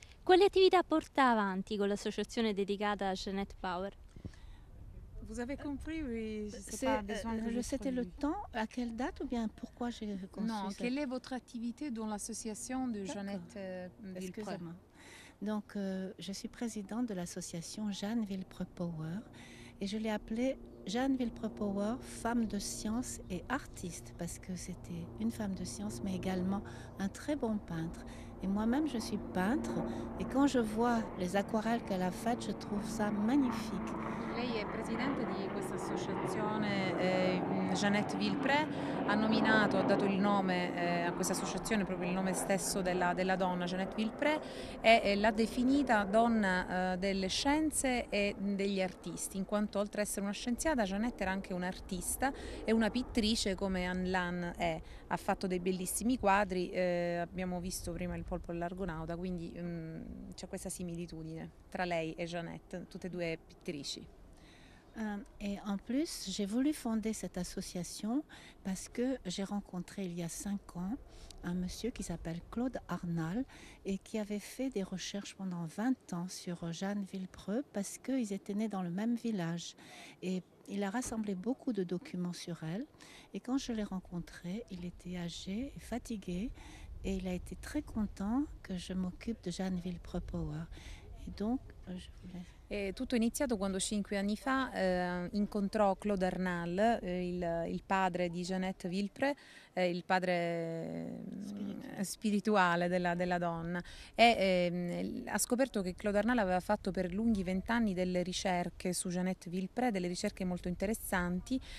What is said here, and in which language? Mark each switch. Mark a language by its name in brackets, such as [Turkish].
[Italian] Quali attività porta avanti con l'associazione dedicata a Jeanette Power? [French] Vous avez compris, oui, je sais pas, je sais le temps, à quelle date ou bien pourquoi j'ai conçu non, ça. Quelle est votre activité dans l'association de Jeanette Villepreux? Donc, je suis présidente de l'association Jeanne Villepreux Power et je l'ai appelée Jeanne Villepreux Power, femme de science et artiste, parce que c'était une femme de science, mais également un très bon peintre. Et moi-même, je suis peintre et quand je vois les aquarelles qu'elle a faites, je trouve ça magnifique. [Italian] Lei è presidente di questa associazione, Jeanette Villepreux, ha nominato, ha dato il nome a questa associazione, proprio il nome stesso della donna, Jeanette Villepreux, e l'ha definita donna delle scienze e degli artisti, in quanto oltre ad essere una scienziata, Jeanette era anche un'artista e una pittrice come Anne Lan è. Ha fatto dei bellissimi quadri, abbiamo visto prima il polpo e l'argonauta, quindi c'è questa similitudine tra lei e Jeanette, tutte e due pittrici. [French] Et en plus, j'ai voulu fonder cette association parce que j'ai rencontré il y a 5 ans un monsieur qui s'appelle Claude Arnal et qui avait fait des recherches pendant 20 ans sur Jeanne Villepreux parce qu'ils étaient nés dans le même village. Et il a rassemblé beaucoup de documents sur elle. Et quand je l'ai rencontré, il était âgé et fatigué et il a été très content que je m'occupe de Jeanne Villepreux Power. Et donc, je voulais... [Italian] E tutto è iniziato quando 5 anni fa incontrò Claude Arnal, il padre di Jeanette Villepreux, il padre spirituale della donna. E ha scoperto che Claude Arnal aveva fatto per lunghi 20 anni delle ricerche su Jeanette Villepreux, delle ricerche molto interessanti.